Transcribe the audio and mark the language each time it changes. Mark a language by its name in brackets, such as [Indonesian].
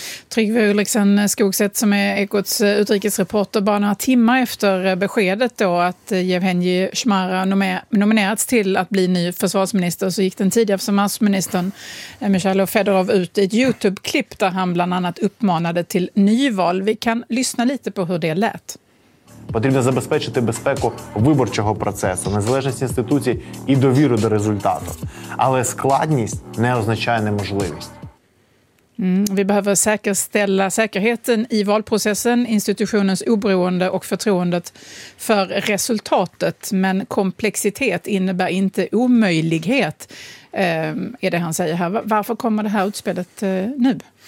[Swedish] Trygve Ulriksen Skogseth, som är Ekots utrikesreporter, bara några timmar efter beskedet då att Jevhenij Chmara nominerats till att bli ny försvarsminister, så gick den tidigare försvarsministern Michail Fedorov ut i ett YouTube-klipp där han bland annat uppmanade till nyval. Vi kan lyssna lite på hur det lät. [Ukrainian] Потрібно забезпечити безпеку виборчого процесу, незалежність інституцій і довіру до результату. Але складність не означає неможливість. [Swedish] Vi behöver säkerställa säkerheten i valprocessen, institutionens oberoende och förtroendet för resultatet. Men komplexitet innebär inte omöjlighet, är det han säger här. Varför kommer det här utspelet nu?